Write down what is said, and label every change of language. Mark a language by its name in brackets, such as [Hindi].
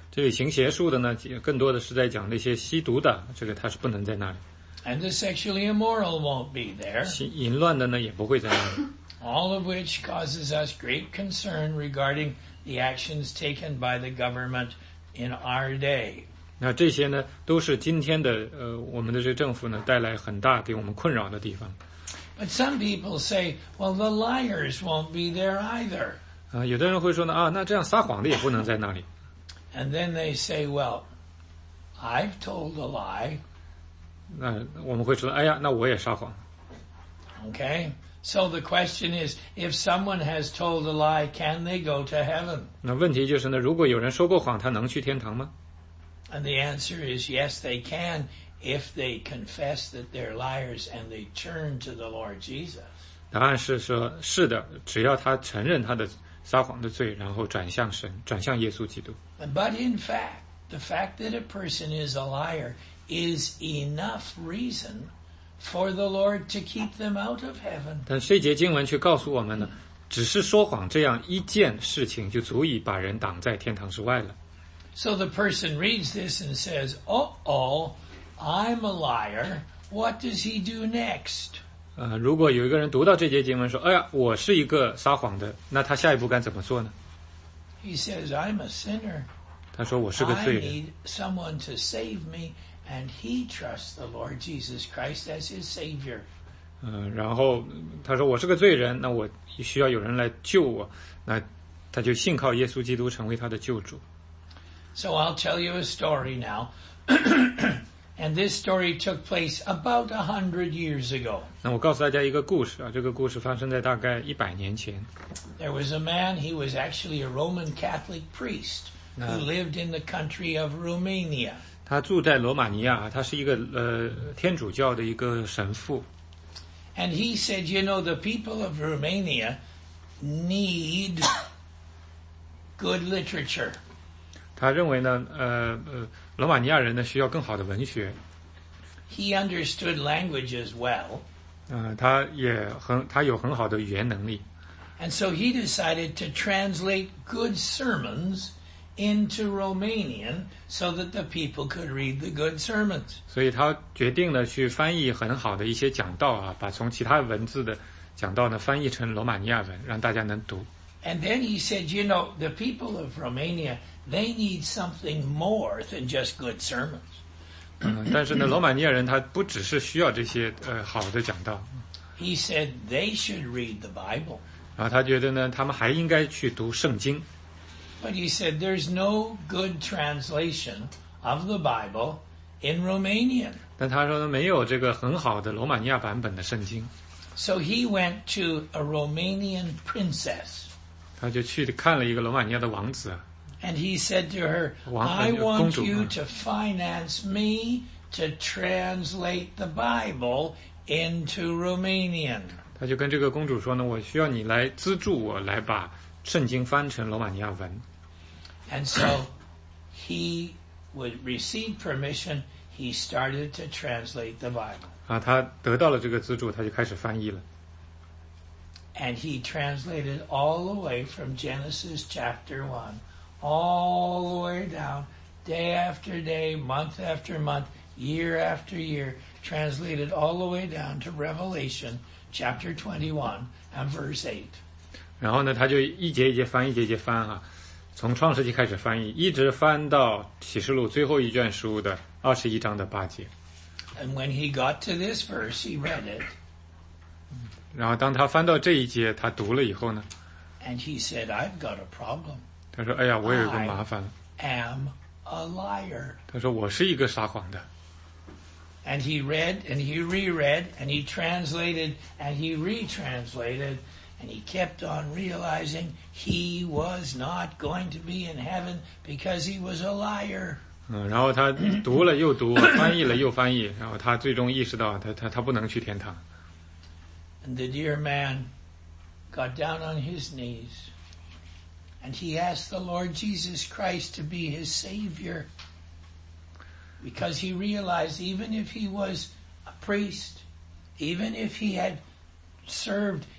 [Chinese] 这里行邪术的呢，更多的是在讲那些吸毒的，这个他是不能在那里。 [English] And the sexually immoral won't be there. [Chinese] 淫乱的呢，也不会在那里。 [English] All of which causes us great concern regarding the actions taken by the government in our day. [Chinese] 那这些呢，都是今天的我们的这个政府呢，带来很大给我们困扰的地方。 [English] But some people say, well, the liars won't be there either. [Chinese] 有的人会说呢，啊，那这样撒谎的也不能在那里。 [English] And then they say, well, I've told a lie. [Chinese] 那我们会说，哎呀，那我也撒谎。 [English] Okay, so the question is, if someone has told a lie, can they go to heaven? [Chinese] 那问题就是呢，如果有人说过谎，他能去天堂吗？ [English] And the answer is yes, they can, if they confess that they're liars and they turn to the Lord Jesus. [Chinese] 答案是说，是的，只要他承认他的撒谎的罪，然后转向神，转向耶稣基督。 [English] But in fact, the fact that a person is a liar is enough reason for the Lord to keep them out of heaven. [Chinese] 但这节经文却告诉我们呢，只是说谎这样一件事情就足以把人挡在天堂之外了。 [English] So the person reads this and says, Uh-oh, I'm a liar. What does he do next? [Chinese] 如果有一个人读到这节经文说，哎呀，我是一个撒谎的，那他下一步该怎么做呢？ [English] He says, I'm a sinner. [Chinese] 他说我是个罪人。 [English] I need someone to save me. And he trusts the Lord Jesus Christ as his Savior. [Chinese] 然后他说我是个罪人，那我需要有人来救我，那他就信靠耶稣基督成为他的救主。 [English] So I'll tell you a story now. And this story took place about 100 years ago. [Chinese] 那我告诉大家一个故事啊，这个故事发生在大概100年前。 [English] There was a man, he was actually a Roman Catholic priest, who lived in the country of Romania. [Chinese] 他住在罗马尼亚，他是一个天主教的一个神父。 [English] And he said, you know, the people of Romania need good literature. [Chinese] 他认为呢，罗马尼亚人呢需要更好的文学。 [English] He understood language as well. [Chinese] 他有很好的语言能力。 [English] And so he decided to translate good sermons. Into Romanian, so that the people could read the good sermons. [Chinese] 所以他决定呢去翻译很好的一些讲道啊，把从其他文字的讲道呢翻译成罗马尼亚文，让大家能读。 [English] And then he said, you know, the people of Romania, they need something more than just good sermons. [Chinese] 但是呢，罗马尼亚人他不只是需要这些好的讲道。 [English] He said they should read the Bible. [Chinese] 然后他觉得呢，他们还应该去读圣经。 [English] But he said, there's no good translation of the Bible in Romanian. [Chinese] 但他说没有这个很好的罗马尼亚版本的圣经。 [English] So he went to a Romanian princess. [Chinese] 他就去看了一个罗马尼亚的王子。 [English] And he said to her, I want you to finance me to translate the Bible into Romanian. [Chinese] 他就跟这个公主说呢，我需要你来资助我，来把圣经翻成罗马尼亚文。 [English] And so he would receive permission, he started to translate the Bible. [Chinese] 他得到了这个资助，他就开始翻译了。 [English] And he translated all the way from Genesis chapter 1, all the way down, day after day, month after month, year after year, translated all the way down to Revelation chapter 21 and verse 8. [Chinese] 然后呢，他就一节一节翻，一节一节翻啊，从创世纪开始翻译，一直翻到启示录最后一卷书的21章的8节。 [English] And when he got to this verse, he read it. [Chinese] 然后当他翻到这一节，他读了以后呢 [English] ？And he said, "I've got a problem." [Chinese] 他说：“哎呀，我有一个麻烦了。 [English] ”I am a liar. [Chinese] 他说：“我是一个撒谎的。” [English] And he read, and he reread, and he translated, and he retranslated. And he kept on realizing he was not going to be in heaven because he was a liar. [Chinese] 然后他读了又读，翻译了又翻译，然后他最终意识到他不能去天堂。 [English] And the dear man got down on his knees, and he asked the Lord Jesus Christ to be his savior, because he realized even if he was a priest, even if he had served.